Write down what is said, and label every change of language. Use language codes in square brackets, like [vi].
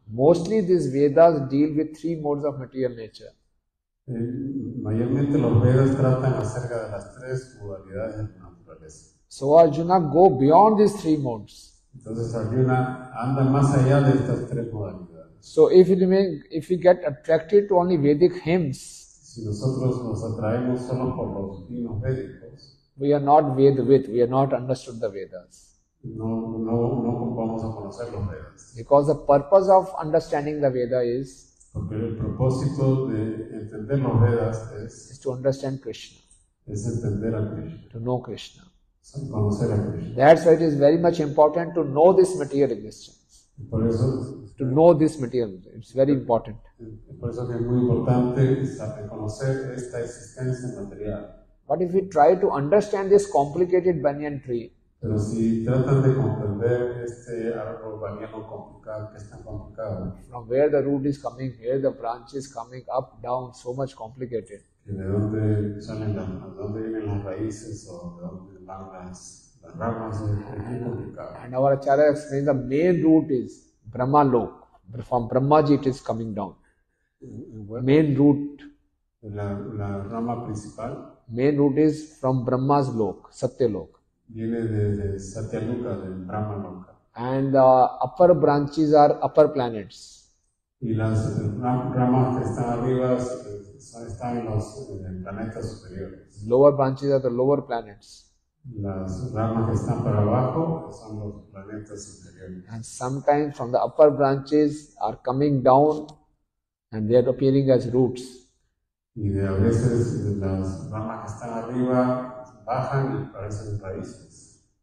[en] Mostly these Vedas deal with three modes of material nature. [es] Mayormente los Vedas tratan acerca de las tres modalidades de la naturaleza. [en] So Arjuna, go beyond these three modes. [es] Entonces Arjuna anda más allá de estas tres modalidades. [en] So if we remain, if we get attracted to only Vedic hymns, [es] si nosotros nos atraemos solo por los himnos védicos, [en] we are not Vedavit, we are not understood the Vedas. [es] No, vamos a conocer los Vedas. [en] Because the purpose of understanding the Veda is, [es] porque el propósito de entender los Vedas [en] is to understand Krishna. [es] Es entender a Krishna. [en] To know Krishna. [es] Conocer a Krishna. [en] That's why it is very much important to know this material existence. [es] Por eso, [en] to know this material, it's very important. [es] Por eso que es muy importante conocer esta existencia material. [en] But if we try to understand this complicated banyan tree, [es] pero si tratan de comprender este árbol baniano complicado, que es tan complicado, [en] from where the root is coming, where the branch is coming up, down, so much complicated. [es] ¿De dónde salen las, dónde vienen las raíces o de dónde van las ramas? Es muy complicado. [en] And our acharya explains the main root is Brahma Lok. From Brahmaji it is coming down. Main root. [es] La rama principal. [en] Main root is from Brahma's Lok, Satya Lok. [es] Viene de Satya Loka, de Brahma Loka. [en] And the upper branches are upper planets. [es] Y las ramas que están arriba están en los planetas superiores. [en] Lower branches are the lower planets. [es] Las ramas que están para abajo son los planetas superiores. [en] And sometimes from the upper branches are coming down and they are appearing as roots. [es] Y a veces las ramas que están arriba bajan y parecen raíces.